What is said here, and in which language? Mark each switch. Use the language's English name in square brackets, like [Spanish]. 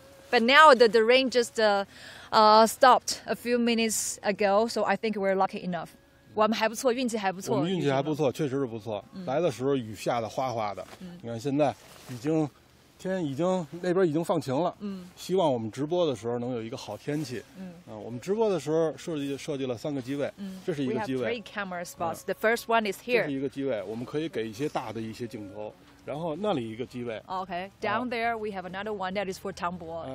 [English] But now the rain just stopped a few minutes ago, so I think we're lucky enough. [Chinese] 我们还不错，运气还不错。我们运气还不错，确实是不错。来的时候雨下的哗哗的，你看现在已经天已经那边已经放晴了。希望我们直播的时候能有一个好天气。我们直播的时候设计了三个机位，这是一个机位。 [English] We have three camera spots. The first one is here. [Chinese] 这是一个机位，我们可以给一些大的一些镜头。然后那里一个机位。Okay, [English] down there we have another one that is for Tang Bo.